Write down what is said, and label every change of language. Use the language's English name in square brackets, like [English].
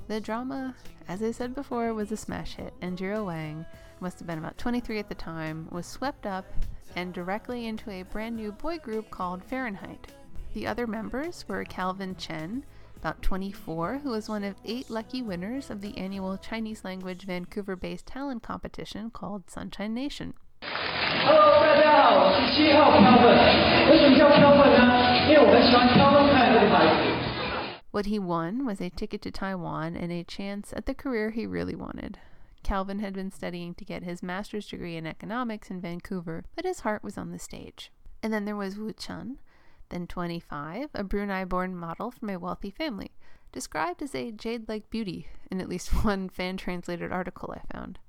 [English] The drama, as I said before, was a smash hit, and Jiro Wang, must have been about 23 at the time, was swept up and directly into a brand new boy group called Fahrenheit. The other members were Calvin Chen, about 24, who was one of 8 lucky winners of the annual Chinese language Vancouver-based talent competition called Sunshine Nation. [Chinese] Hello, 大家好,我是7号 Calvin。为什么叫Calvin呢?因为我很喜欢Calvin拍的牌子。 [English] What he won was a ticket to Taiwan and a chance at the career he really wanted. Calvin had been studying to get his master's degree in economics in Vancouver, but his heart was on the stage. And then there was Wu Chun, then 25, a Brunei-born model from a wealthy family, described as a jade-like beauty in at least one fan-translated article I found.